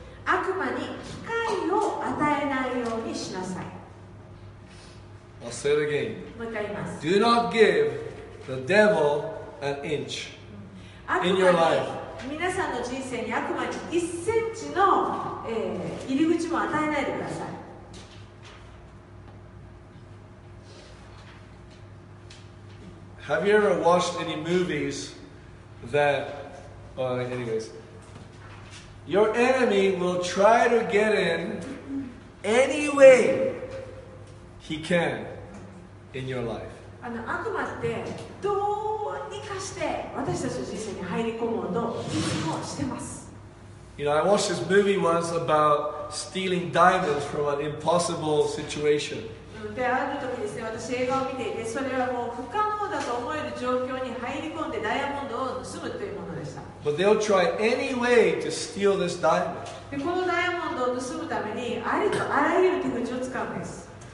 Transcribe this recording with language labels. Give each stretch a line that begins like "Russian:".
Japanese: 悪魔に機会を与えないようにしなさい。
English: I'll say it again.
Japanese: もう一回言います。
English: Do not give the devil an inch in your life.
Japanese: 皆さんの人生に悪魔に1センチの、入り口も与えないでください。
English: Have you ever watched any movies that, anyways? Your enemy will try to get in any way he can in your life.
Japanese: あの、悪魔ってどうにかして私たちの人生に入り込もうといつもしてます。
English: You know, I watched this movie once about stealing diamonds from an impossible situation.
Japanese: で、ある時ですね、私映画を見ていて、それはもう不可能だと思える状況に入り込んでダイヤモンドを盗むというものでした。
English: But they'll try any way to steal this diamond.
Japanese: で、このダイヤモンドを盗むためにありとあらゆる手口を使うんです。